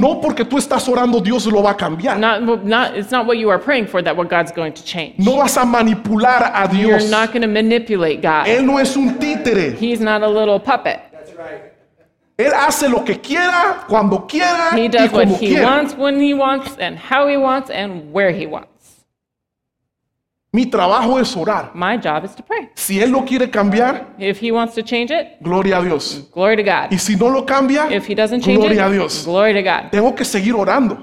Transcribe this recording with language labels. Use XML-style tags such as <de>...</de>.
<es>No porque tú estás orando, Dios lo va a cambiar.</es> <en>It's not what you are praying for that what God's going to change.</en> <es>No vas a manipular a Dios.</es> <en>You're not going to manipulate God.</en> <es>Él no es un títere.</es> <en>He's not a little puppet. That's right.</en> <es>Él hace lo que quiera, cuando quiera, y como quiera.</es> <en>He does what he wants, when he wants, and how he wants, and where he wants.</en> <es>Mi trabajo es orar.</es> <en>My job is to pray.</en> <es>Si él lo quiere cambiar,</es> <en>if he wants to change it,</en> <es>gloria a Dios.</es> <en>Glory to God.</en> <es>Y si no lo cambia,</es> <en>if he doesn't change</en> <es>gloria</es> <en>it,</en> <es>a Dios.</es> <en>Glory to God.</en> <es>Tengo que seguir orando.</es>